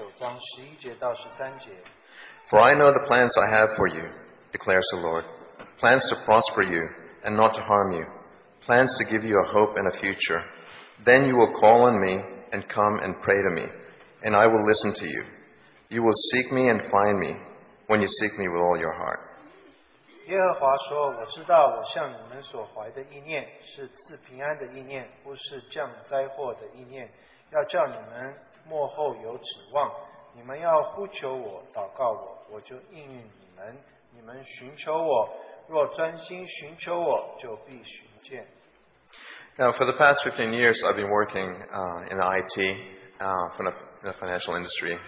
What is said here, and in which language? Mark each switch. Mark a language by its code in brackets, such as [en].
[en] Jeremiah 29:11-13. For I know the plans I have for you, declares the Lord. Plans to prosper you and not to harm you. Plans to give you a hope and a future. Then you will call on me and come and pray to me, and I will listen to you. You will seek me and find me when you seek me with all your heart. [zh] 耶和华说：“我知道我向你们所怀的意念是赐平安的意念，不是降灾祸的意念。要叫你们末后有指望。你们要呼求我，祷告我，我就应允你们。你们寻求我，若专心寻求我，就必寻见。” [en] Now, for the past 15 years, I've been working in IT from the financial industry.